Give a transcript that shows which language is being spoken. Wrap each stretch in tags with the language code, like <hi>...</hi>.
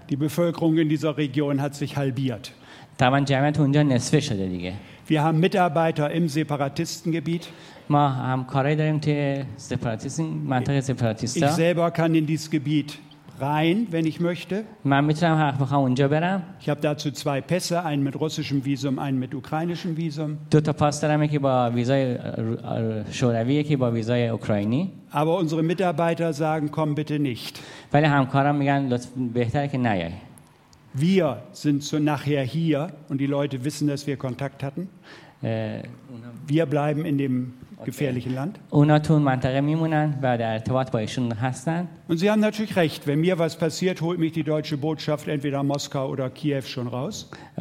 <de>Die Bevölkerung in dieser Region hat sich halbiert. Taman Jamet und Jan Neswischer, der Wir haben Mitarbeiter im Separatistengebiet.</de> <fa>ما هم کاری داریم توی سپاراتیستین منطقه سپاراتیستا</fa> <de>Ich selber kann in dieses Gebiet rein, wenn ich möchte.</de> <fa>من میتونم هر وقت اونجا برم.</fa> <de>Ich habe dazu 2 Pässe, einen mit russischem Visum, einen mit ukrainischem Visum.</de> <fa>دو تا پاس دارم که با ویزای شوروی که با ویزای اوکراینی.</fa> <de>Aber unsere Mitarbeiter sagen, komm bitte nicht.</de> <fa>ولی همکارم میگن بهتره که نیای.</fa> <de>Wir sind so nachher hier und die Leute wissen, dass wir Kontakt hatten. Wir bleiben in dem gefährlichen Land. Und Sie haben natürlich recht. Wenn mir was passiert, holt mich die deutsche Botschaft entweder Moskau oder Kiew schon raus.</de>